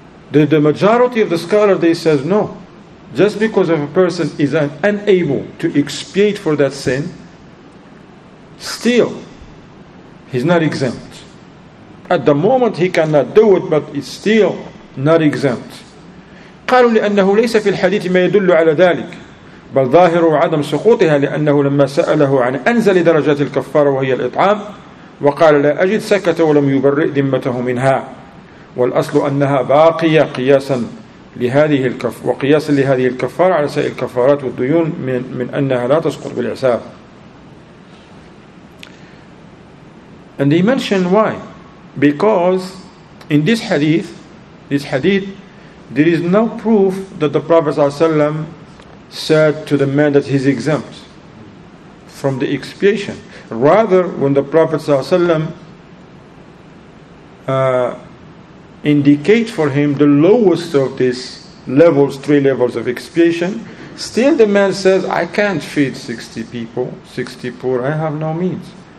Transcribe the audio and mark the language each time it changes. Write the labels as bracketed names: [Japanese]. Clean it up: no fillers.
[English] The majority of the scholar, they says, no. Just because of a person is unable to expiate for that sin, still, he's not exempt. At the moment he cannot do it, but it's still not exempt. [Arabic] قالوا لأنه ليس في الحديث ما يدل على ذلك بل ظاهر عدم سقوطها لأنه لما سأله عن أنزل درجات الكفارة وهي الإطعام وقال لا أجد سكت ولم يبرئ ذمته منها والأصل أنها باقية قياسا لهذه الكفارة وقياسا لهذه الكفارة على سائر الكفارات والديون من أنها لا تسقط بالعساب. [English] And he mentioned why. Because in this hadith, there is no proof that the Prophet ﷺ said to the man that he's exempt from the expiation. Rather, when the Prophet ﷺ indicate for him the lowest of these levels, three levels of expiation, still the man says, I can't feed 60 people, 60 poor, I have no means.